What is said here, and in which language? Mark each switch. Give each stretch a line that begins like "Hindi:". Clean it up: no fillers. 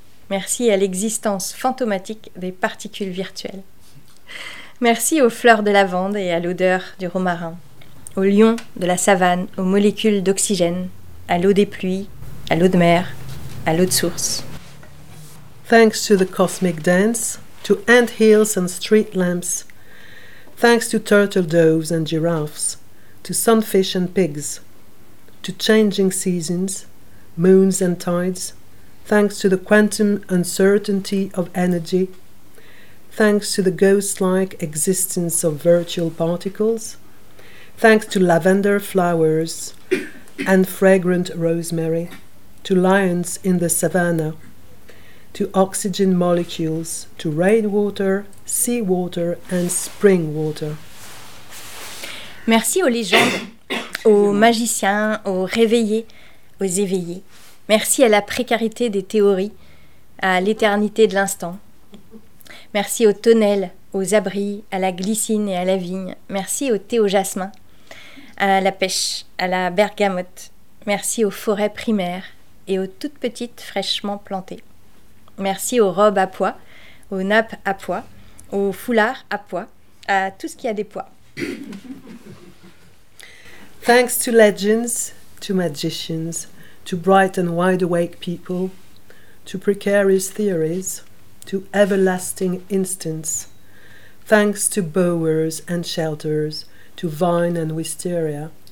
French: Merci à l'existence fantomatique des particules virtuelles. Merci aux fleurs de lavande et à l'odeur du romarin. Aux lions de la savane, aux molécules d'oxygène, à l'eau des pluies, à l'eau de mer, à l'eau de source.
English: Thanks to the cosmic dance, to ant hills and street lamps. thanks to turtle doves and giraffes, to sunfish and pigs, to changing seasons, moons and tides, thanks to the quantum uncertainty of energy, thanks to the ghost-like existence of virtual particles, thanks to lavender flowers and fragrant rosemary, to lions in the savannah, to oxygen molecules, to rainwater, seawater and spring water.
French: Merci aux légendes, aux magiciens, aux réveillés, aux éveillés. Merci à la précarité des théories, à l'éternité de l'instant. Merci aux tonnelles, aux abris, à la glycine et à la vigne. Merci au thé au jasmin, à la pêche, à la bergamote. Merci aux forêts primaires et aux toutes petites fraîchement plantées. Merci aux robes à pois, aux nappes à pois, aux foulards à pois, à tout ce qui a des pois.
English: Thanks to legends, to magicians, to bright and wide awake people, to precarious theories, to everlasting instants. Thanks to bowers and shelters, to vine and wisteria.